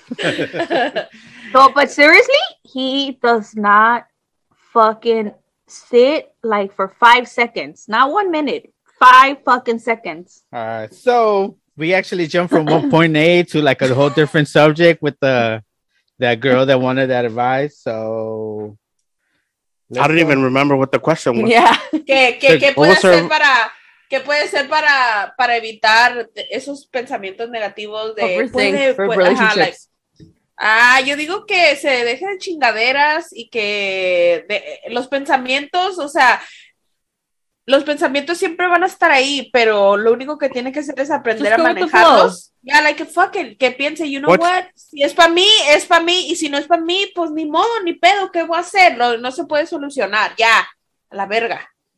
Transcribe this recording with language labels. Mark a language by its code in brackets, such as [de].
[en] So, but seriously, he does not fucking sit like for 5 seconds, not 1 minute, 5 fucking seconds. All right, so we actually jumped from 1.A to like a whole different subject with that girl that wanted that advice. So I don't even remember what the question was. Yeah. [es] ¿Qué puede ser para evitar esos pensamientos negativos de [en] relationships? [es] Yo digo que se deje de chingaderas y que los pensamientos, o sea, los pensamientos siempre van a estar ahí, pero lo único que tiene que hacer es aprender a manejarlos. [en] Yeah, like, fuck it, [es] que piense, [en] you know what? [es] Si es para mí, es para mí, y si no es para mí, pues ni modo, ni pedo, ¿qué voy a hacer? No se puede solucionar, ya, a la verga.